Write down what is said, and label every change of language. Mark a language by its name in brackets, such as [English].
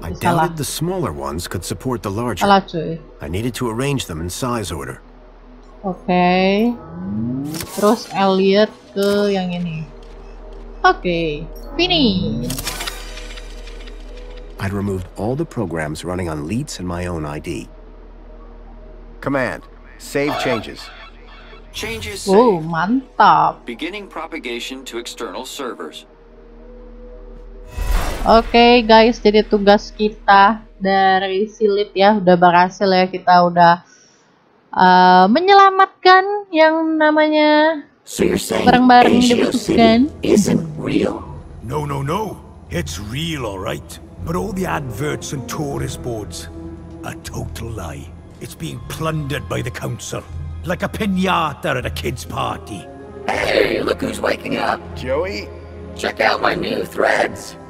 [English] I doubted the smaller ones could support the larger. [Indonesian] Salah, cuy. [English] I needed to arrange them in size order. Okay. [Indonesian] Terus Elliot ke yang ini. [English] Okay, finish. I'd removed all the programs running on Leets and my own ID. Command, save changes. Changes. [Indonesian] Oh, mantap. [English] Beginning propagation to external servers. [Indonesian] Oke, okay guys, jadi tugas kita dari silit ya udah berhasil ya, kita udah menyelamatkan yang namanya barang-barang di bukan. [English] No, it's real, alright. But all the adverts and tourist boards, a total lie. It's being plundered by the council, like a piñata at a kid's party. Hey, look who's waking up, Joey. Check out my new threads.